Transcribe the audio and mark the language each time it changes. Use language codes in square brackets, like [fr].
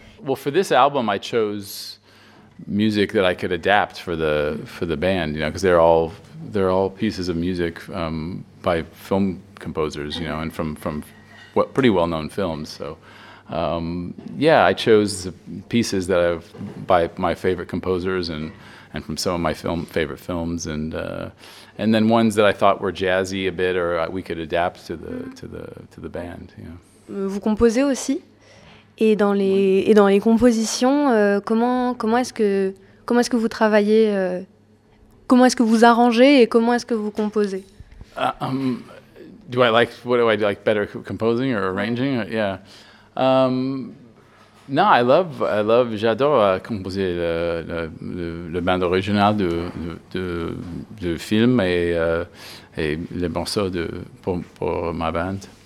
[en] Well, for this album, I chose music that I could adapt for the band, you know, because they're all pieces of music by film composers, you know, and from what pretty well known films. So. Yeah, I chose the pieces that I've by my favorite composers and from some of my favorite films and then ones that I thought were jazzy a bit or we could adapt to the band. Yeah. [fr] Vous composez aussi et dans les compositions comment est-ce que vous travaillez comment est-ce que vous arrangez et comment est-ce que vous composez? [en] Do I like better composing or arranging? Yeah. [fr] Non, [en] I love, [fr] j'adore composer le bande originale de film et les morceaux pour ma bande.